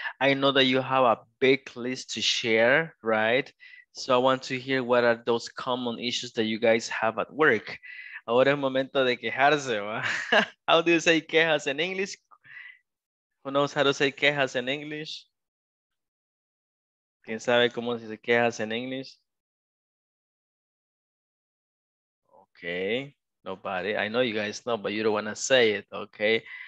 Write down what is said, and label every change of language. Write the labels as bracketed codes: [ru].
[en] I know that you have a big list to share, right? So I want to hear what are those common issues that you guys have at work. Ahora es momento de quejarse, ¿va? How do you say quejas in English? Who knows how to say quejas in English? [es] ¿Quién sabe cómo se dice quejas en inglés? [en] Okay, nobody. I know you guys know, but you don't want to say it, okay?